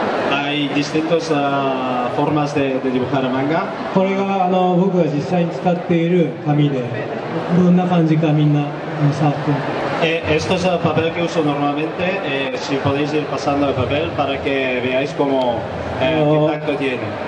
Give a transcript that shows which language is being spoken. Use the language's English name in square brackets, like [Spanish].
[Spanish] Hay distintas formas de dibujar manga. [Japanese] これが僕が実際に使っている紙で、どんな感じかみんな触って。 [Spanish] Esto es el papel que uso normalmente. Si podéis ir pasando el papel para que veáis cómo qué tacto tiene.